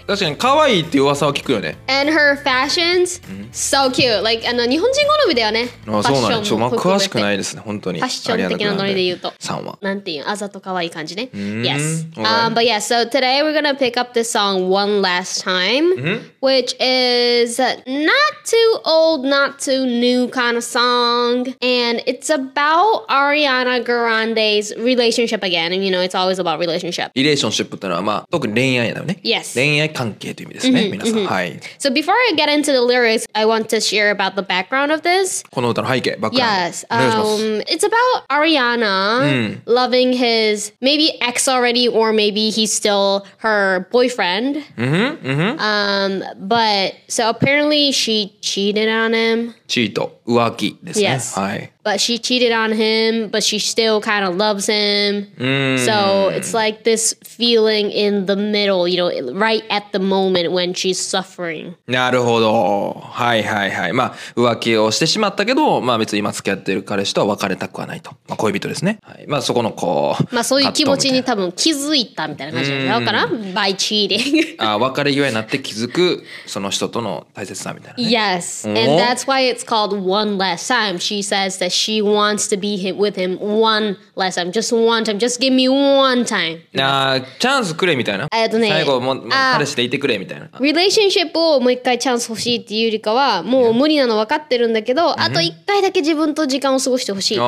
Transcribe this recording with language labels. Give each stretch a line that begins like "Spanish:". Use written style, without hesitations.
Japanese: 確かに可愛いっていう噂は聞くよね。
English: And her fashions, so cute. Like,
Japanese: 日本人好みだよね。ああ、そうなの。ちょっと、詳しくないですね、本当に。ファッション的なノリで言うと。さんは。なんていう、あざと可愛い感じね。
English: Yes. But yeah, so today we're gonna pick up this song one last time, which is not too old, not too new kind of song. And it's about Ariana Grande's relationship again. And you know, it's always about relationship.
Japanese: Relationship ってのは、まあ、特に恋愛
English: Yes.
Japanese: 恋愛関係という意味ですね、皆さん。はい。
English: So before I get into the lyrics, I want to share about the background of this.
Japanese: この歌の背景、バックグラウンド。
English: Yes. It's about Ariana loving his maybe ex already or maybe he's still her boyfriend. But so apparently she cheated on him.
Japanese: チート、浮気ですね。
English: Yes.
Japanese: はい。
English: But she cheated on him, but she still kind of loves him. So it's like this feeling in the middle, you know, right at the moment when she's suffering.
Japanese: なるほど。はいはいはい。まあ、浮気をしてしまったけど、まあ別に今付き合ってる彼氏とは別れたくはないと。まあ恋人ですね。はい、まあそこのこう。まあそういう気持ちに多分気づいたみたいな感じなのかな ?
English: by cheating.
Japanese: あ、別れ際になって気づくその人との大切さみたいな、ね。
English: Yes. And that's why it's called One Last Time. She says that. She wants to be with him one last time. Just one time. Just give me one time.
Japanese: チャンスくれみたいな。最後も、彼氏でいてくれみたいな。 Relationship をもう一回チャンス欲しいっていうよりかは、もう無理なの分かってるんだけど、あと一回だけ自分と時間を過ごしてほしいっていう。